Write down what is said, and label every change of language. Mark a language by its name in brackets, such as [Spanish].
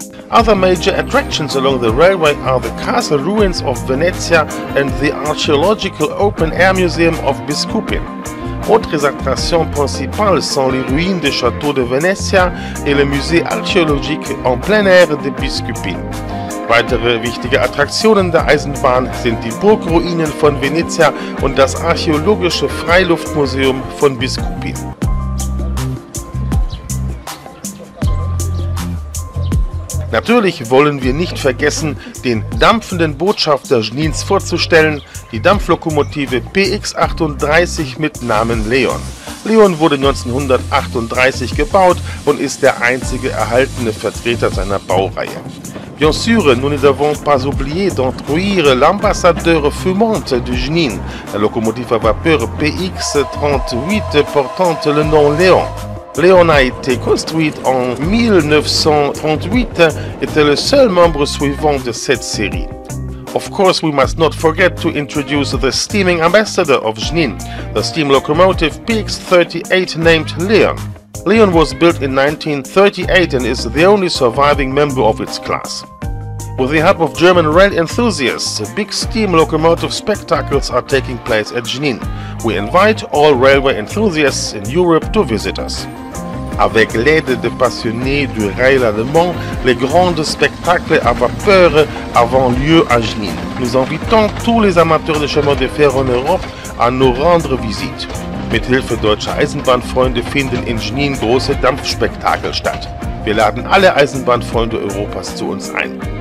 [English] Other major attractions along the railway are the castle ruins of Venezia and the archaeological open-air museum of Biskupin. [French] Autres attractions principales sont les ruines des châteaux de Venezia et le musée archéologique en plein air de Biskupin. [German] Weitere wichtige Attraktionen der Eisenbahn sind die Burgruinen von Venezia und das archäologische Freiluftmuseum von Biskupin. Natürlich wollen wir nicht vergessen, den dampfenden Botschafter Jenins vorzustellen, die Dampflokomotive PX-38 mit Namen Leon. Leon wurde 1938 gebaut und ist der einzige erhaltene Vertreter seiner Baureihe. [French] Bien sûr, nous ne devons pas oublier d'introduire l'ambassadeur fumant de Jenin, la locomotive à vapeur PX-38 portant le nom Leon. Leon a été construite en 1938, était le seul membre suivant de cette série. [English] Of course, we must not forget to introduce the steaming ambassador of Jenin, the steam locomotive PX-38 named Leon. Leon was built in 1938 and is the only surviving member of its class. With the help of German rail enthusiasts, big steam locomotive spectacles are taking place at Jenin. We invite all railway enthusiasts in Europe to visit us. [French] Avec l'aide des passionnés du rail allemand, les grands spectacles à vapeur avaient lieu à Jenin. Nous invitons tous les amateurs de chemin de fer en Europe à nous rendre visite. [German] Mit Hilfe deutscher Eisenbahnfreunde finden in Jenin große Dampfspektakel statt. Wir laden alle Eisenbahnfreunde Europas zu uns ein.